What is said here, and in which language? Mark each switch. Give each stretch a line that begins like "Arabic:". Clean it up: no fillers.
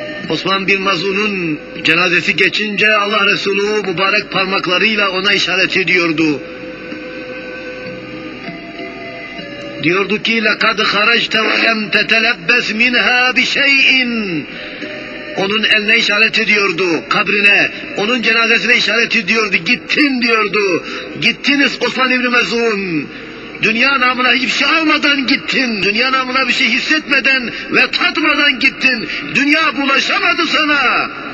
Turkish: Osman bin Mazun'un cenazesi geçince Allah Resulü mübarek parmaklarıyla ona işaret ediyordu. Diyordu ki
Arabic: لَقَدْ خَرَجْتَ وَلَمْ تَتَلَبَّسْ مِنْهَا بِشَيْءٍ.
Turkish: Onun eline işaret ediyordu, kabrine, onun cenazesine işaret ediyordu. Gittin diyordu, gittiniz Osman İbni Mazun. Dünya namına hiçbir şey almadan gittin. Dünya namına bir şey hissetmeden ve tatmadan gittin. Dünya bulaşamadı sana.